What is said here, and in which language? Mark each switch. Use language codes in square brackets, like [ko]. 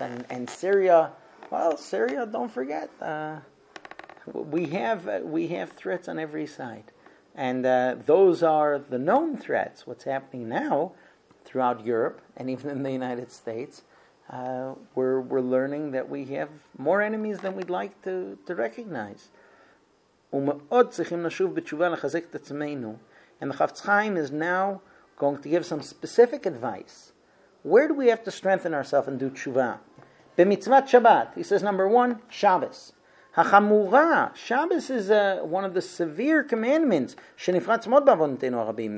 [en] And Syria, don't forget. We have threats on every side. And those are the known threats. What's happening now throughout Europe and even in the United States, we're learning that we have more enemies than we'd like to recognize. [he] ומאוד צריכים לשוב בתשובה לחזק את עצמנו. [en] And the Chafetz Chaim is now going to give some specific advice. Where do we have to strengthen ourselves and do tshuva? [he] במצוות שבת. [en] He says, number one, Shabbos. [he] החמורה, [en] Shabbos is one of the severe commandments [he] שנפרץ מאוד בעוונותינו הרבים.